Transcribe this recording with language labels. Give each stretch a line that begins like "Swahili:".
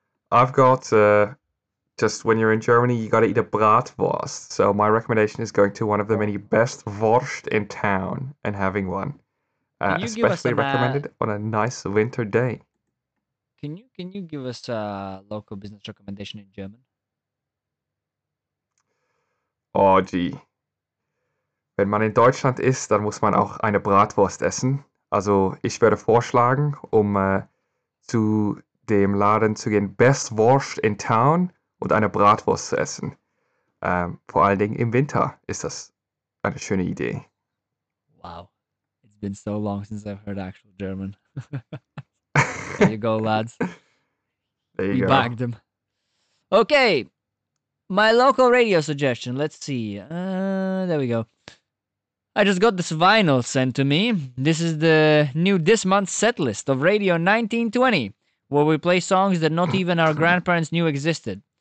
English: I've got, just when you're in Germany, you got to eat a Bratwurst. So my recommendation is going to one of the many best Wurst in town and having one. Especially recommended on a nice winter day. Can you give us a local business recommendation in German? Oh, gee.
German: Wenn man in Deutschland ist, dann muss man auch eine Bratwurst essen. Also ich würde vorschlagen, zu dem Laden zu gehen, Best Wurst in Town und eine Bratwurst zu essen. Vor allen Dingen im Winter ist das eine schöne Idee.
English: Wow. It's been so long since I've heard actual German. There you go, lads. There you we go. We bagged him. Okay. My local radio suggestion. Let's see. There we go. I just got this vinyl sent to me. This is the new this month's set list of Radio 1920, where we play songs that not even our grandparents knew existed.